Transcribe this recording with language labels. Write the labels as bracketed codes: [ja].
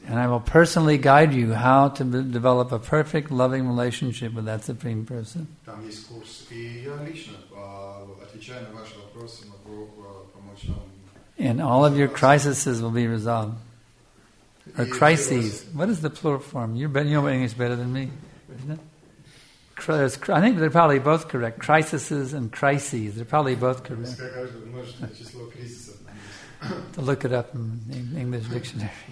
[en] And I will personally guide you how to develop a perfect, loving relationship with that Supreme Person. [ru] Там есть курс, и я лично отвечаю на ваши вопросы, могу помочь вам. [en] And all of your crises will be resolved. Or crises. What is the plural form? You know English better than me. I think they're probably both correct. Crises and crises. They're probably both correct. To look it up in the English dictionary.